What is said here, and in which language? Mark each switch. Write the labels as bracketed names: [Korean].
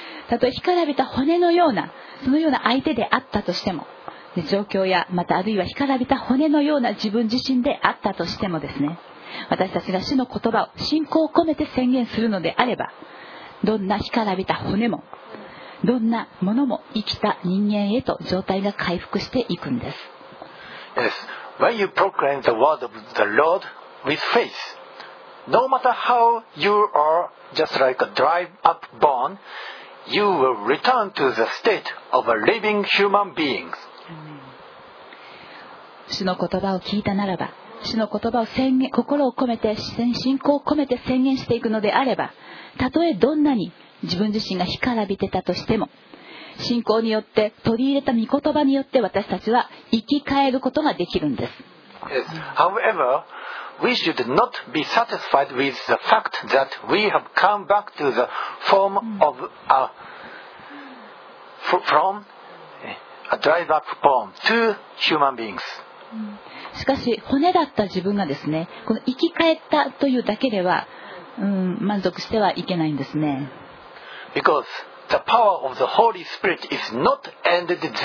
[Japanese] たとえ干からびた骨のような、そのような相手であったとしても、ね、状況や、またあるいは干からびた骨のような自分自身であったとしてもですね、私たちが主の言葉を信仰を込めて宣言するのであれば、どんな干からびた骨も、どんなものも生きた人間へと状態が回復していくんです。 [English] Yes, when you proclaim the word of the Lord with faith, no matter how you are just like a dry up bone,You will return to the state of a living human being. [Japanese] 主の言葉を聞いたならば、主の言葉を宣言、心を込めて信仰を込めて宣言していくのであれば、たとえどんなに自分自身が干からびてたとしても、信仰によって取り入れた御言葉によって私たちは生き返ることができるんです。 [English] Yes. However, we should not be satisfied with the fact that we have come back to the form of a from a dried-up bone to human beings. [Japanese] しかし骨だった自分がですね、この生き返ったというだけでは、満足してはいけないんですね。 [English] Because the power of the Holy Spirit is not ended there.